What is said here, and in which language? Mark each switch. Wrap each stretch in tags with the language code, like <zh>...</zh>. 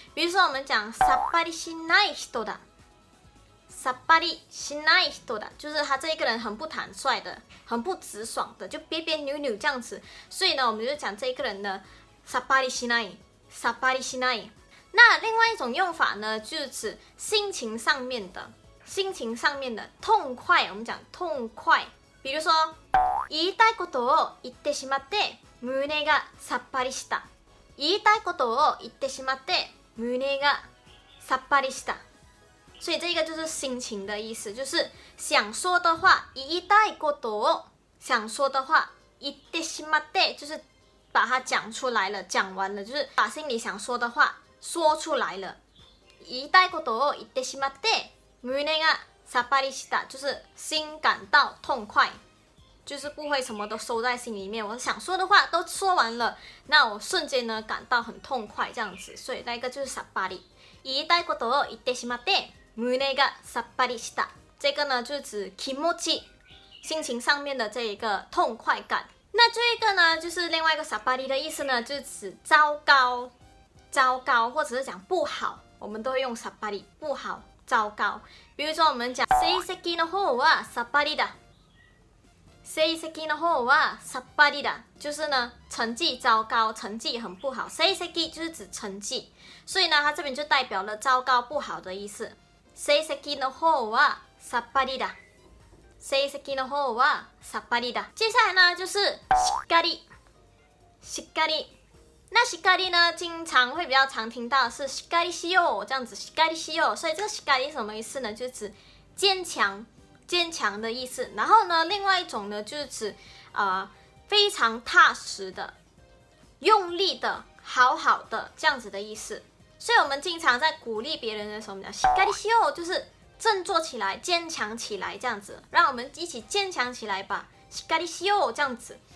<zh>比如说我们讲</zh> <ja>さっぱりしない人だ，</ja> <zh>さっぱりしない人だ，就是他这一个人很不坦率的，很不直爽的，就别别扭扭这样子。所以呢，我们就讲这一个人的さっぱりしない。さっぱりしない。那另外一种用法呢，就是指心情上面的，心情上面的痛快。</zh> <ja>我们讲痛快，</ja> <zh>比如说</zh> <ja>言いたいことを言ってしまって胸がさっぱりした。言いたいことを言ってしまって胸がさっぱりした。</ja> <zh>所以这个就是心情的意思，就是想说的话</zh> <ja>言いたいことを</ja> <zh>想说的话</zh> <ja>言ってしまって，</ja> <zh>就是把它讲出来了，讲完了，就是把心里想说的话说出来了。</zh> <ja>言いたいことを言ってしまって胸がさっぱりした，</ja> <zh>就是心感到痛快，就是不会什么都收在心里面，我想说的话都说完了，那我瞬间呢感到很痛快这样子。所以那个就是</zh> <ja>さっぱり，言いたいことを言ってしまって胸がさっぱりした。</ja> <zh>这个呢就指気持ち，心情上面的这一个痛快感。那这一个呢就是另外一个さっぱり的意思呢，就指糟糕糟糕，或者是讲不好，我们都会用さっぱり，不好糟糕。比如说我们讲</zh> <ja>成績の方はさっぱりだ，</ja> <zh>成績の方はさっぱりだ，就是呢成绩糟糕，成绩很不好。成績就是指成绩，所以呢它这边就代表了糟糕不好的意思。</zh> <ja>成績の方はさっぱりだ，成績の方はさっぱりだ。</ja> <zh>接下来呢就是しっかり，しっかり。那しっかり呢经常会比较常听到是</zh> <ja>しっかりしよう，</ja> <zh>这样子しっかりしよう。所以这个しっかり什么意思呢，就是指坚强坚强的意思。然后呢另外一种呢就是指非常踏实的，用力的，好好的，这样子的意思。所以我们经常在鼓励别人的时候，我们讲</zh> <ja>しっかりしよう，</ja> <zh>就是振作起来，坚强起来，这样子，让我们一起坚强起来吧，しっかりしよう，这样子。</zh>